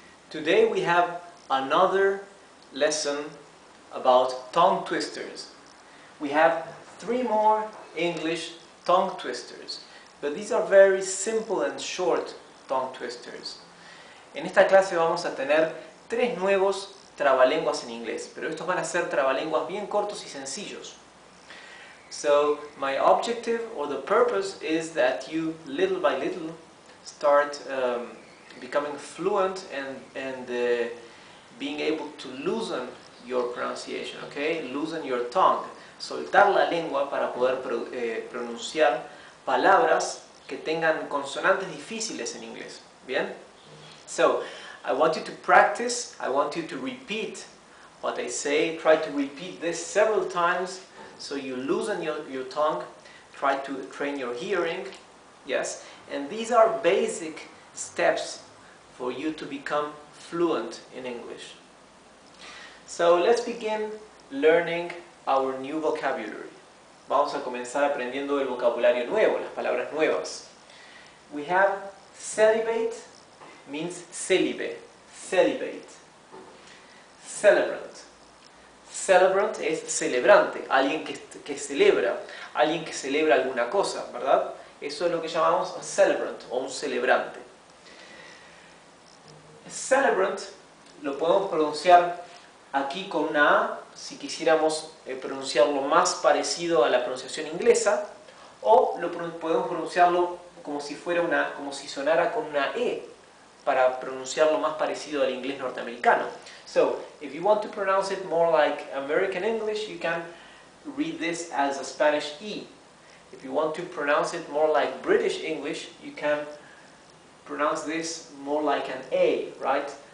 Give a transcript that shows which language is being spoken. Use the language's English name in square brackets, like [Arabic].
[English] Today we have another lesson about tongue twisters. We have three more English tongue twisters, but these are very simple and short tongue twisters. [Spanish] En esta clase vamos a tener tres nuevos trabalenguas en inglés, pero estos van a ser trabalenguas bien cortos y sencillos. [English] So my objective or the purpose is that you little by little start becoming fluent and being able to loosen your pronunciation, okay? Loosen your tongue. [Spanish] Soltar la lengua para poder pronunciar palabras que tengan consonantes difíciles en inglés, ¿bien? [English] So, I want you to practice, I want you to repeat what I say. Try to repeat this several times so you loosen your tongue. Try to train your hearing, yes? And these are basic steps for you to become fluent in English. So let's begin learning our new vocabulary. [Spanish] Vamos a comenzar aprendiendo el vocabulario nuevo, las palabras nuevas. [English] We have celibate, means célibe, celibate. Celebrant. [Spanish] Celebrant es celebrante, alguien que celebra, alguien que celebra alguna cosa, ¿verdad? Eso es lo que llamamos a celebrant o un celebrante. Celebrant lo podemos pronunciar aquí con una A, si quisiéramos pronunciarlo más parecido a la pronunciación inglesa, o lo podemos pronunciarlo como si fuera una, como si sonara con una E, para pronunciarlo más parecido al inglés norteamericano. [English] So, if you want to pronounce it more like American English, you can read this as a Spanish E. If you want to pronounce it more like British English, you can pronounce this more like an A, right?